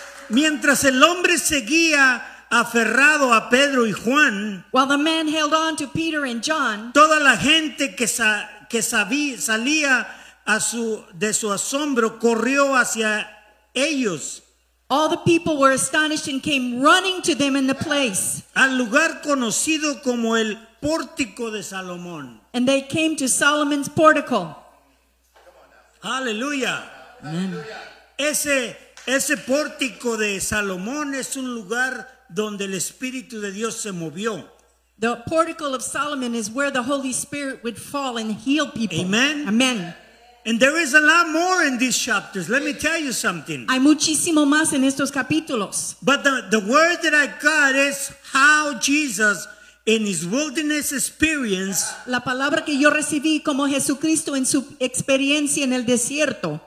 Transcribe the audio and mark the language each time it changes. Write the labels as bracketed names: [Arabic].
[Spanish] Mientras el hombre seguía aferrado a Pedro y Juan. [English] While the man held on to Peter and John. [Spanish] Toda la gente que salía de su asombro corrió hacia ellos. [English] All the people were astonished and came running to them in the place. [Spanish] Al lugar conocido como el pórtico de Salomón. [English] And they came to Solomon's portico. Hallelujah. Amen. [Spanish] Ese pórtico de Salomón es un lugar donde el Espíritu de Dios se movió. [English] The portico of Solomon is where the Holy Spirit would fall and heal people. Amen. Amen. And there is a lot more in these chapters. Let me tell you something. [Spanish] Hay muchísimo más en estos capítulos. [English] But the word that I got is how Jesus in his wilderness experience. [Spanish] La palabra que yo recibí como Jesucristo en su experiencia en el desierto.